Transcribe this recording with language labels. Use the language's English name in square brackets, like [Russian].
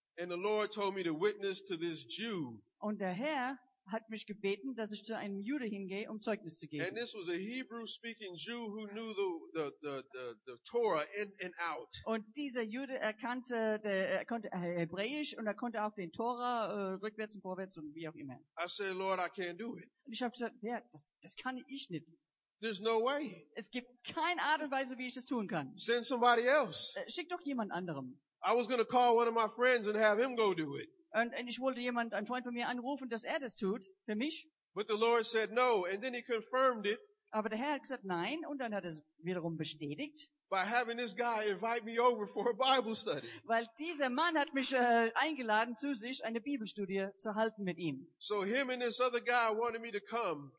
[English] And the Lord told me to witness to this Jew. [German] Und der Herr hat mich gebeten, dass ich zu einem Jude hingehe, um Zeugnis zu geben. [English] And this was a Hebrew-speaking Jew who knew the Torah in and out. [German] Und dieser Jude erkannte, der er konnte Hebräisch und er konnte auch den Torah rückwärts und vorwärts und wie auch immer. [English] I said, Lord, I can't do it. [German] Und ich habe gesagt, ja, das kann ich nicht. [English] There's no way. [German] Es gibt keine Art und Weise, wie ich das tun kann. [English] Send somebody else. [German] Schick doch jemand anderem. [English] I was going to call one of my friends and have him go do it. [German] Und ich wollte jemand, einen Freund von mir anrufen, dass er das tut, für mich. [English] But the Lord said no, and then he confirmed it. [German] Aber der Herr hat gesagt nein, und dann hat er es wiederum bestätigt. [English] By having this guy invite me over for a Bible study. [German] Weil dieser Mann hat mich eingeladen, zu sich eine Bibelstudie zu halten mit ihm. [English] So him and this other guy wanted me to come.